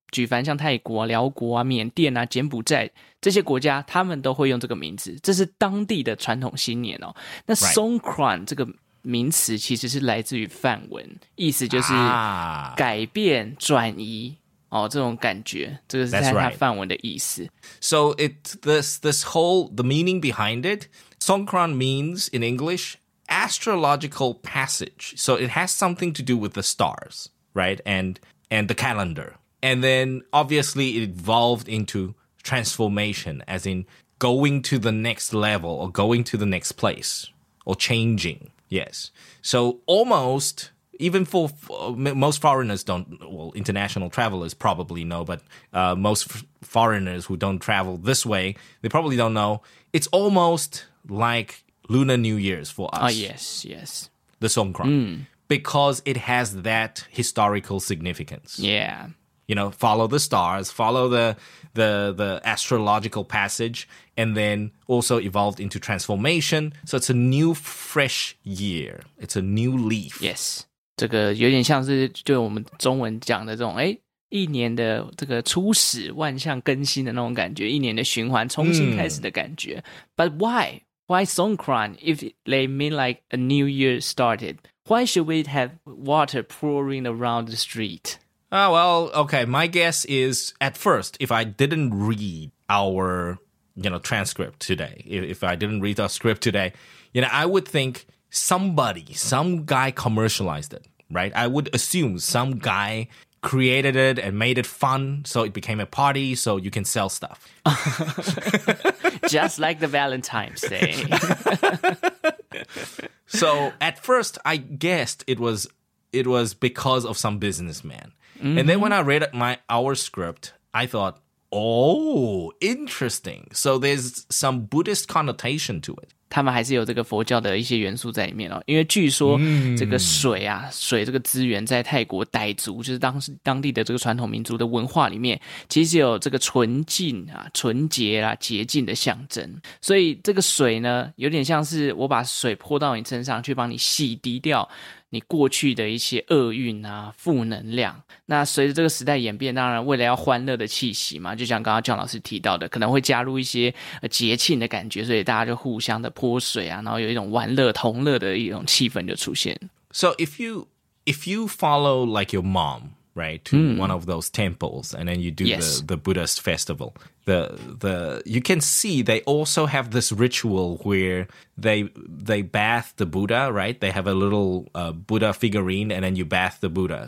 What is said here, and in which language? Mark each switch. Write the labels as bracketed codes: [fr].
[zh] 举凡像泰国、寮国啊、缅甸啊、柬埔寨这些国家，他们都会用这个名字，这是当地的传统新年哦。那 Songkran 这个名词其实是来自于梵文，意思就是改变、转移哦，这种感觉，这个是在它梵文的意思。 [en] So it this whole the meaning behind it, Songkran means in English astrological passage. So it has something to do with the stars, right? And the calendar. And then obviously it evolved into transformation, as in going to the next level or going to the next place or changing. Yes. So almost, even for most foreigners don't, well, international travelers probably know, but most foreigners who don't travel this way, they probably don't know. It's almost like Lunar New Year's for us. Yes. The Songkran. Mm. Because it has that historical significance. Yeah. You know, follow the stars, follow the astrological passage, and then also evolved into transformation. So it's a new, fresh year. It's a new leaf. Yes. [zh] 这个有点像是就我们中文讲的这种，一年的这个初始万象更新的那种感觉，一年的循环重新开始的感觉。 [en] But why? Why Songkran? If they mean like a new year started, why should we have water pouring around the street? Well, okay, my guess is, at first, if I didn't read our, you know, transcript today, if I didn't read our script today, you know, I would think somebody, some guy commercialized it, right? I would assume some guy created it and made it fun, so it became a party, so you can sell stuff. Just like the Valentine's Day. So, at first, I guessed it was because of some businessman. Mm-hmm. And then when I read our script, I thought, oh, interesting. So there's some Buddhist connotation to it. [zh] 他们还是有这个佛教的一些元素在里面哦。因为据说这个水啊，水这个资源在泰国傣族，就是当地的这个传统民族的文化里面，其实有这个纯净啊、纯洁啊、洁净的象征。所以这个水呢，有点像是我把水泼到你身上去帮你洗涤掉你过去的一些厄运啊、负能量。那随着这个时代演变，当然为了要欢乐的气息嘛，就像刚刚姜老师提到的，可能会加入一些节庆的感觉，所以大家就互相的泼水啊，然后有一种玩乐同乐的一种气氛就出现。 [en] So if you follow like your mom, right, to one of those temples, and then you do the Buddhist festival, the you can see they also have this ritual where they bath the Buddha, right? They have a little Buddha figurine, and then you bath the Buddha.